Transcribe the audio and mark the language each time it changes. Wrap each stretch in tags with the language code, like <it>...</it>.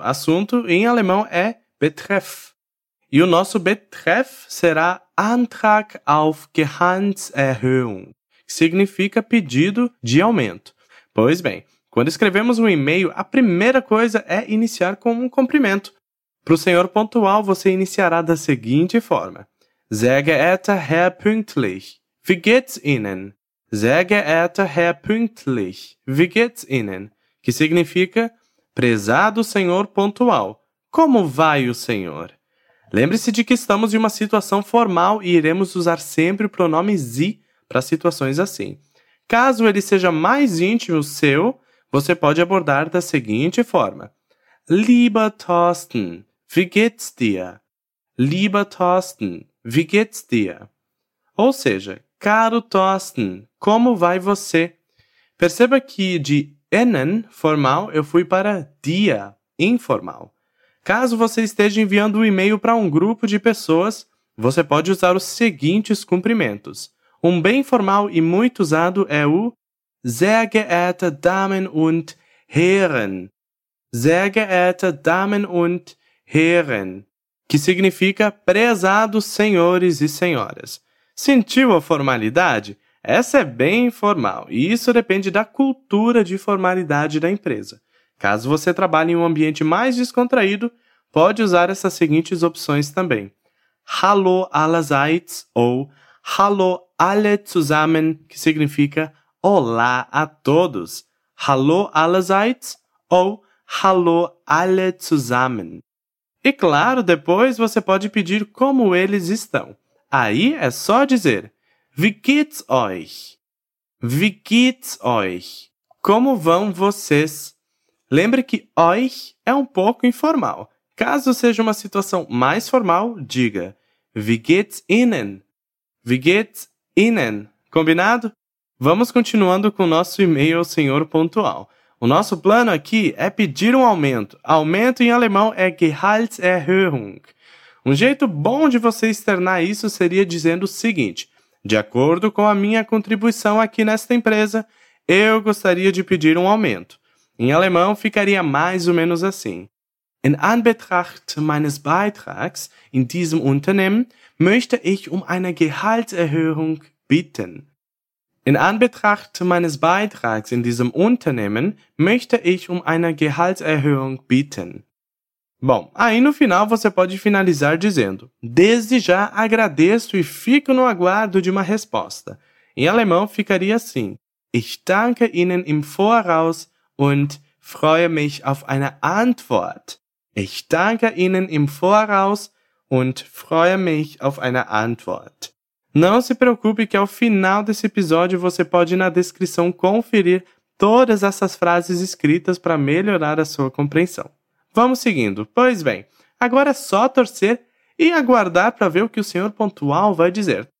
<pt>Assunto em alemão é Betreff. E o nosso Betreff será</pt> <de>Antrag auf Gehaltserhöhung,</de> <pt>que significa pedido de aumento. Pois bem, quando escrevemos um e-mail, a primeira coisa é iniciar com um cumprimento. Para o senhor pontual, você iniciará da seguinte forma.</pt> <de>Sehr geehrter Herr Pünktlich, wie geht's Ihnen? Sehr geehrter Herr Pünktlich, wie geht's Ihnen?</de> <pt>Que significa, prezado senhor pontual, como vai o senhor? Lembre-se de que estamos em uma situação formal e iremos usar sempre o pronome Sie para situações assim. Caso ele seja mais íntimo seu, você pode abordar da seguinte forma.</pt> <de>Lieber Thorsten, wie geht's dir? Lieber Thorsten, wie geht's dir?</de> <pt>Ou seja, caro Thorsten, como vai você? Perceba que de Ihnen, formal, eu fui para dir, informal. Caso você esteja enviando um e-mail para um grupo de pessoas, você pode usar os seguintes cumprimentos. Um bem formal e muito usado é o</pt> <de>Sehr geehrte Damen und Herren. Sehr geehrte Damen und Herren.</de> <pt>Que significa prezados senhores e senhoras. Sentiu a formalidade? Essa é bem informal e isso depende da cultura de formalidade da empresa. Caso você trabalhe em um ambiente mais descontraído, pode usar essas seguintes opções também.</pt> <de>Hallo allerseits</de> <pt>ou</pt> <de>Hallo alle zusammen,</de> <pt>que significa olá a todos.</pt> <de>Hallo allerseits ou Hallo alle zusammen.</de> <pt>E claro, depois você pode pedir como eles estão. Aí é só dizer</pt> <de>Wie geht's euch? Wie geht's euch?</de> <pt>Como vão vocês? Lembre que euch é um pouco informal. Caso seja uma situação mais formal, diga</pt> <de>Wie geht's Ihnen? Wie geht's Ihnen?</de> <pt>Combinado? Vamos continuando com o nosso e-mail senhor pontual. O nosso plano aqui é pedir um aumento. Aumento em alemão é Gehaltserhöhung. Um jeito bom de você externar isso seria dizendo o seguinte. De acordo com a minha contribuição aqui nesta empresa, eu gostaria de pedir um aumento. Em alemão, ficaria mais ou menos assim.</pt> <de>In Anbetracht meines Beitrags in diesem Unternehmen möchte ich eine Gehaltserhöhung bitten. In Anbetracht meines Beitrags in diesem Unternehmen möchte ich eine Gehaltserhöhung bitten.</de> <pt>Bom, aí no final você pode finalizar dizendo: Desde já agradeço e fico no aguardo de uma resposta. Em alemão ficaria assim:</pt> <de>Ich danke Ihnen im Voraus und freue mich auf eine Antwort. Ich danke Ihnen im Voraus und freue mich auf eine Antwort.</de> <pt>Não se preocupe que ao final desse episódio você pode na descrição conferir todas essas frases escritas para melhorar a sua compreensão. Vamos seguindo. Pois bem, agora é só torcer e aguardar para ver o que o senhor pontual vai dizer.</pt>